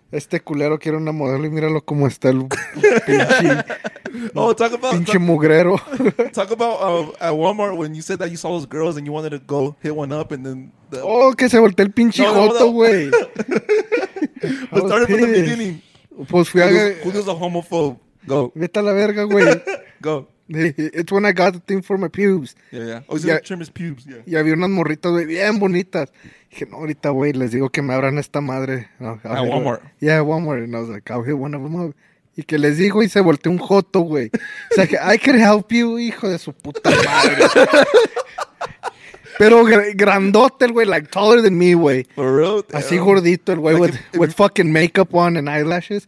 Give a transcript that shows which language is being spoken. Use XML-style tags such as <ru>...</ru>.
<es>Este culero quiere una modelo y míralo como está el pinche.</es> <en>Oh, talk about</en> <es>pinche mugrero.</es> <en>Talk about at Walmart when you said that you saw those girls and you wanted to go hit one up and then.</en> <es>Que se volteó el pinche joto, güey.</es> <en>But started from the beginning.</en> <es>Pues fui a.</es> <en>Julio's a homophobe. Go.</en> <es>Vete a la verga, güey.</es> <en>Go. It's when I got the thing for my pubes. Yeah. Oh, he's gonna trim his pubes. Yeah.</en> <es>Y había unas morritas, güey, bien bonitas. Dije, no, ahorita, güey, les digo que me abran esta madre. No,</es> <en>at Walmart. Yeah, Walmart. And I was like, I'll hit one of them up.</en> <es>Y que les digo, y se volteó un joto, güey. O sea, que</es> <en>I could help you,</en> <es>hijo de su puta madre. Pero grandote, güey,</es> <en>like taller than me,</en> <es>güey.</es> <en>For real? Damn.</en> <es>Así gordito, güey,</es> <en>like with fucking makeup on and eyelashes.</en>